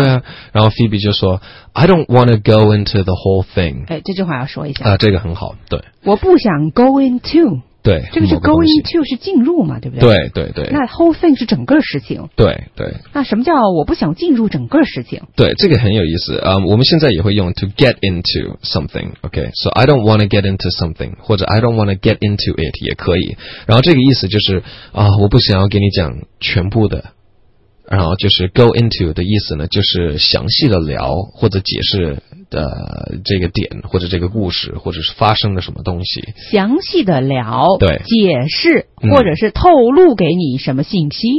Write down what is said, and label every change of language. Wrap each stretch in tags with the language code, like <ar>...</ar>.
<zh>对啊，然后</zh> <en>Phoebe</en> <zh>就说 ：“</zh> <en>I don't want to go into the whole thing。”</en> <zh>哎，这句话要说一下啊，这个很好，对。我不想 go into。对，这个是 go into 是进入嘛，对不对？对对对。那 whole thing 是整个事情。对对。那什么叫我不想进入整个事情？对，这个很有意思。我们现在也会用</zh> <en>to get into something， OK？</en> <zh>So I don't want to get into something，或者 I don't want to get into it 也可以。然后这个意思就是我不想要给你讲全部的。然后就是 go into 的意思呢，就是详细的聊或者解释的这个点或者这个故事或者是发生了什么东西。详细的聊，对，解释或者是透露给你什么信息。</zh>